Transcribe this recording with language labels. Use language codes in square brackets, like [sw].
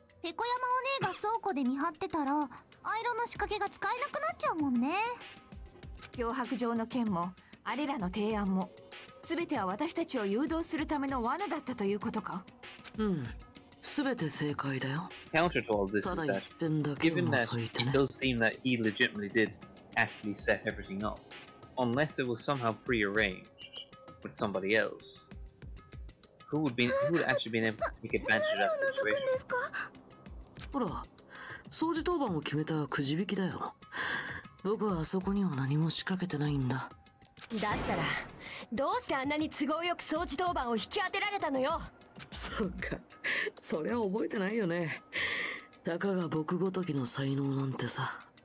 [ja] ペコヤマお姉が倉庫で見張ってたら、アイロンの仕掛けが使えなくなっちゃうもんね。脅迫状の件も、あれらの提案も。全ては私たちを誘導するための罠だったということか。うん、全て正解だよ。 [en] Counter to all this is that, given that it does seem that he legitimately did actually set everything up, unless it was somehow prearranged with somebody else, who would actually been able to take advantage of that situation? [ja] ほら、掃除当番を決めたくじ引きだよ。僕はあそこには何も仕掛けてないんだ。だったら、どうしてあんなに都合よく掃除当番を引き当てられたのよ。そうか、それは覚えてないよね。たかが僕ごときの才能なんてさ。